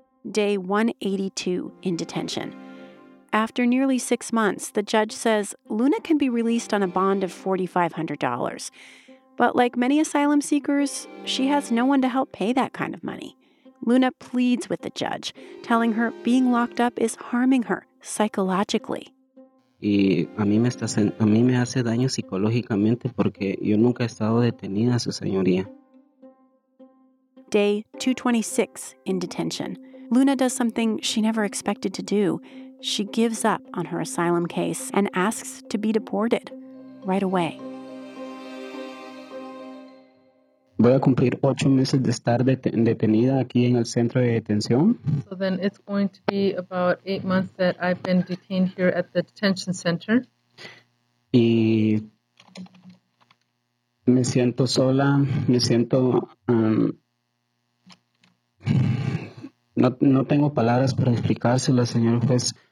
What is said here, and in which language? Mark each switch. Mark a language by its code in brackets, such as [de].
[en] Day 182 in detention. After nearly 6 months, the judge says Luna can be released on a bond of $4,500. But like many asylum seekers, she has no one to help pay that kind of money. Luna pleads with the judge, telling her being locked up is harming her psychologically. [es] Y a mí me hace daño psicológicamente porque yo nunca he estado detenida, su señoría. [en] Day 226 in detention. Luna does something she never expected to do. She gives up on her asylum case and asks to be deported right away. [es] Voy a cumplir 8 meses de estar detenida aquí en el centro de detención. [en] So then it's going to be about 8 months that I've been detained here at the detention center. [es] Y me siento sola, me siento... No tengo palabras para explicárselo, señor juez.